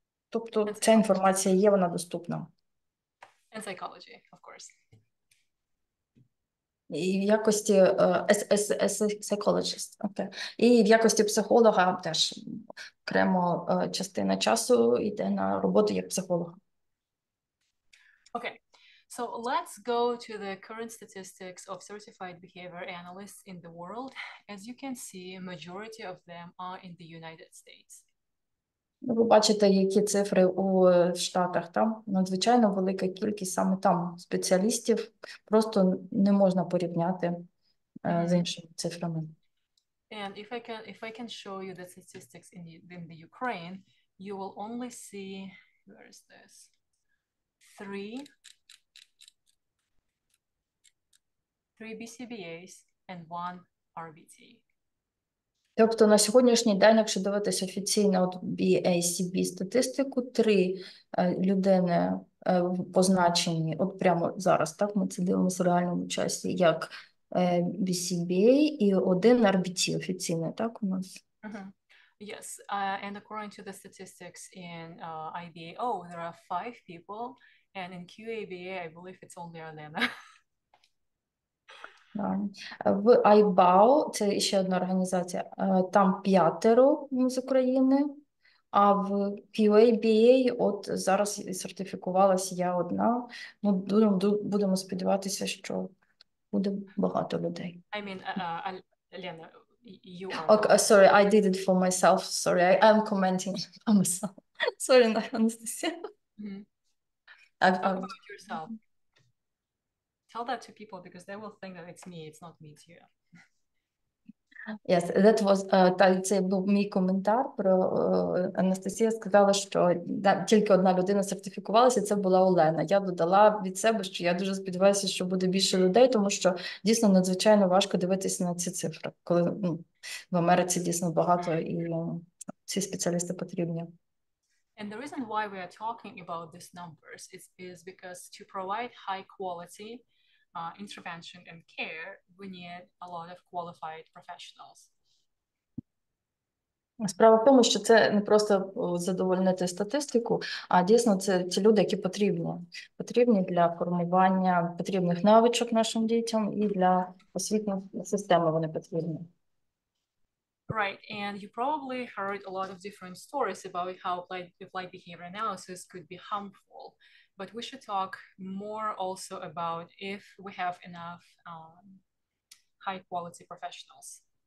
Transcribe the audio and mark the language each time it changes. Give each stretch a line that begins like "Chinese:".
Ukrainian: Тобто ця інформація є, вона доступна.
English: And psychology, of course.
Ukrainian: І в якості
English: psychologist, okay.
Ukrainian: І в якості психолога теж окремо частина часу йде на роботу як психолога.
English: Okay, so let's go to the current statistics of certified behavior analysts in the world. As you can see, majority of them are in the United States.
Ukrainian: Ви бачите, які цифри у Штатах, там надзвичайно велика кількість саме там спеціалістів, просто не можна порівняти з іншими цифрами.
English: And if I can show you the statistics in the Ukraine, you will only see, where is this? 3 BCBAs and 1 RBT.
Ukrainian: Тобто на сьогоднішній день, якщо дивитися офіційно от BACB статистику, 3 людини позначені, от прямо зараз, так, ми це дивимося в реальному часі, як BCBA і 1 RBT офіційний, так, у нас? Uh-huh.
English: Yes, and according to the statistics in IBAO, there are 5 people, and in QABA, I believe it's only Elena.
Ukrainian: В IBAO, це ще одна організація, там 5 з України, а в QABA от зараз сертифікувалась я одна. Ну, будемо сподіватися, що буде багато людей.
English: I mean, Elena, you are... Okay, sorry, I did it for myself, sorry, I'm commenting on myself. Sorry, Анастасія. Mm-hmm. Talk about yourself. Tell that to people because they will think that it's me, it's not me, it's you. Yes, that was
Ukrainian: це був мій коментар про Анастасія сказала, що тільки одна людина сертифікувалася, це була Олена. Я додала від себе, що я дуже сподіваюся, що буде більше людей, тому що дійсно надзвичайно важко дивитися на ці цифри, коли в Америці дійсно багато і ці спеціалісти потрібні.
English: And the reason why we are talking about these numbers is because to provide high quality intervention and care, we need a lot of qualified professionals.
Ukrainian: Справа в тому, що це не просто задовольнити статистику, а дійсно це ті люди, які потрібні. Потрібні для формування потрібних навичок нашим дітям і для освітньої системи вони потрібні.
English: Right, and you probably heard a lot of different stories about how applied behavior analysis could be harmful. But we should talk more also about if we have enough high quality professionals.